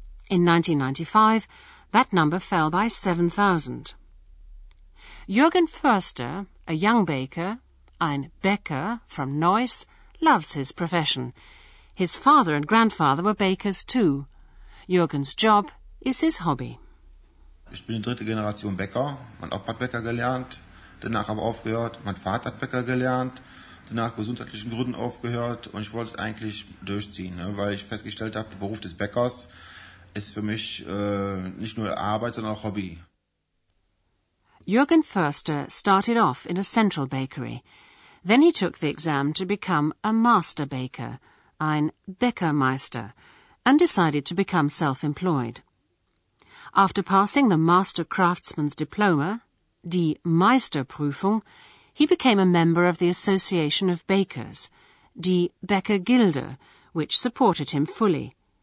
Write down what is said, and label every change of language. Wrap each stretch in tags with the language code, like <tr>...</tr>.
<en>In 1995, that number fell by 7,000. Jürgen Förster, a young baker,</en> <de>ein Bäcker</de> <en>from Neuss, loves his profession. His father and grandfather were bakers too. Jürgen's job is his hobby.</en> <de>Ich bin die dritte Generation Bäcker. Mein Opa hat Bäcker gelernt, danach aber aufgehört. Mein Vater hat Bäcker gelernt, danach gesundheitlichen Gründen aufgehört. Und ich wollte eigentlich durchziehen, ne, weil ich festgestellt habe, der Beruf des Bäckers ist für mich nicht nur Arbeit, sondern auch Hobby.</de> <en>Jürgen Förster started off in a central bakery. Then he took the exam to become a master baker,</en> <de>ein Bäckermeister,</de> <en>and decided to become self-employed. After passing the Master Craftsman's Diploma,</en> <de>die Meisterprüfung,</de> <en>he became a member of the Association of Bakers,</en> <de>die Bäckergilde,</de> <en>which supported him fully.</en>